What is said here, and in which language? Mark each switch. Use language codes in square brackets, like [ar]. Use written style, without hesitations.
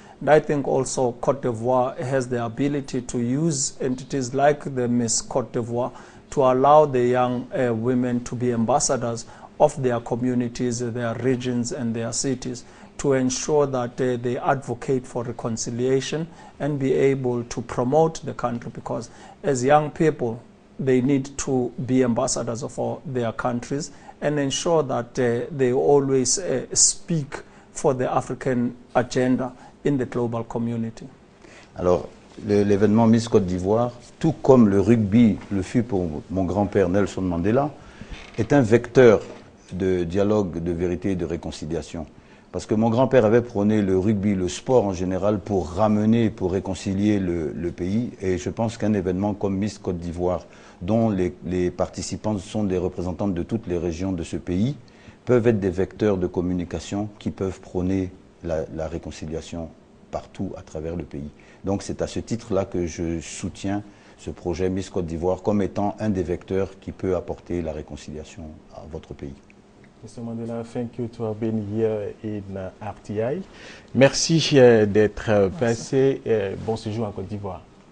[en] And I think also Côte d'Ivoire has the ability to use entities like the Miss Côte d'Ivoire to allow the young women to be ambassadors of their communities, their regions, and their cities to ensure that they advocate for reconciliation and be able to promote the country, because as young people, they need to be ambassadors of their countries and ensure that they always speak for the African agenda in the global community. [fr] Alors, l'événement Miss Côte d'Ivoire, tout comme le rugby le fut pour mon grand-père Nelson Mandela, est un vecteur de dialogue, de vérité et de réconciliation. Parce que mon grand-père avait prôné le rugby, le sport en général, pour ramener, pour réconcilier le pays. Et je pense qu'un événement comme Miss Côte d'Ivoire, dont les participants sont des représentants de toutes les régions de ce pays, peuvent être des vecteurs de communication qui peuvent prôner la réconciliation partout à travers le pays. Donc c'est à ce titre-là que je soutiens ce projet Miss Côte d'Ivoire comme étant un des vecteurs qui peut apporter la réconciliation à votre pays. [en] Monsieur Mandela, thank you to have been here in RTI. [fr] Merci d'être passé. Bon séjour en Côte d'Ivoire.